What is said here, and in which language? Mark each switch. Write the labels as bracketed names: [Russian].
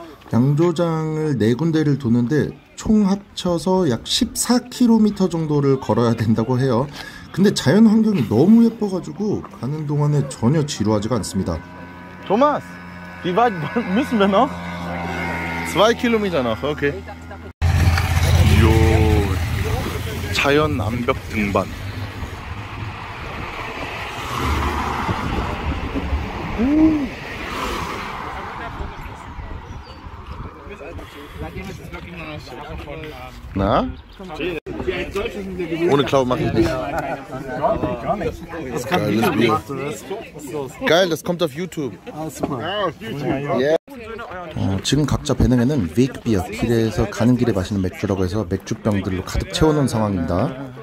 [Korean] Yangjo-jang을 네 군데를 도는데 총 합쳐서 약 14km 정도를 걸어야 된다고 해요. 근데 자연 환경이 너무 예뻐가지고 가는 동안에 전혀 지루하지가 않습니다. [German] Thomas, wie weit müssen wir noch? 2 km noch, okay. [Korean] 요, 자연 암벽 등반. 나? [German] Ohne Klaue mache ich nicht. Geiles Bier. Geil, das kommt auf YouTube. Yeah. [Korean] 지금 각자 배낭에는 웨이크비어, 길에서 가는 길에 마시는 맥주라고 해서 맥주병들로 가득 채워놓은 상황입니다.